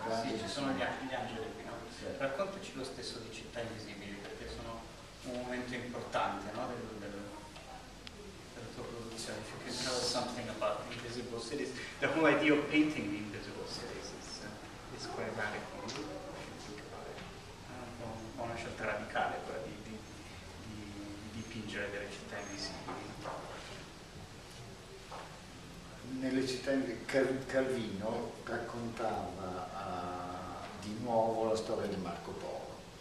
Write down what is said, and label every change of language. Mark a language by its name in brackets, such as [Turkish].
[Italian] Raccontaci lo stesso di città invisibili, perché sono un momento importante, no, della tua produzione. [English] If you can tell us something about the invisible cities, the whole idea of painting the invisible cities is quite radical. [Italian] È una scelta radicale quella di dipingere delle città invisibili. Nelle città invisibili Calvino raccontava di nuovo la storia di Marco Polo.